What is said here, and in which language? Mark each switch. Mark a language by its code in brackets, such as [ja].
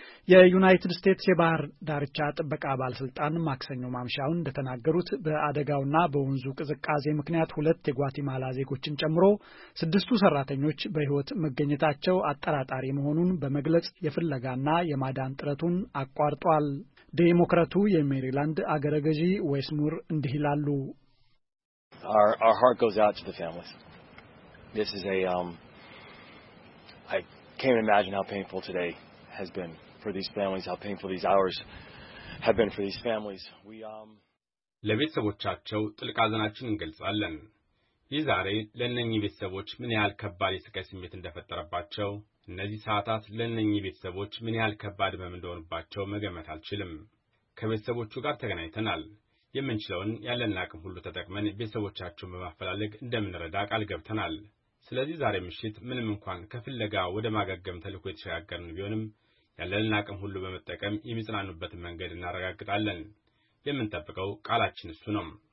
[am] የዩናይትድ ስቴትስ የባህር ዳርቻ ጥበቃ ባለስልጣን ማክሰኞ ማምሻውን እንደተናገሩት በአደጋውና በወንዙ ቅዝቃዜ ምክንያት 2 የጓቲማላ ዜጎችን ጨምሮ 6ቱ ሰራተኞች በሕይወት መገኘታቸው አጠራጣሪ መሆኑን በመግለጽ የፍለጋና የማዳን ጥረቱን አቋርጧል። ዴሞክራቱ የሜሪላንድ አገረ ገዢ ዌስሙር እንዲህ ይላሉ። [en] Our heart goes out to the families. This is I can't imagine how painful today has been for these families, how painful these hours have been for these families. [am] ለቤተሰቦቻቸው ጥልቅ ሐዘናችንን እንገልጻለን። ይዛሬ ለነኚህ ቤተሰቦች ምን ያህል ከባድ የስቃይ ስሜት እንደፈጠረባቸው እነዚህ ሰዓታት ለነኚህ ቤተሰቦች ምን ያህል ከባድ መምንደውንባቸው መገመት አልችልም። ከቤተሰቦቹ ጋር ተገናኝተናል። የምንችለውን ያለን አቅም ሁሉ ተጠቅመን ቤተሰቦቻቸውን በማፈላለግ እንደምንረዳ ቃል ገብተናል። ስለዚህ ዛሬ ምሽት ምንም እንኳን ከፍለጋ ወደ ማጋገም ተልኮ የተሻገርን ቢሆንም ያለን አቅም ሁሉ በመጠቀም የሚጽናኑበትን መንገድ እናረጋግጣለን። የምንጠብቀው ቃላችን እሱ ነው።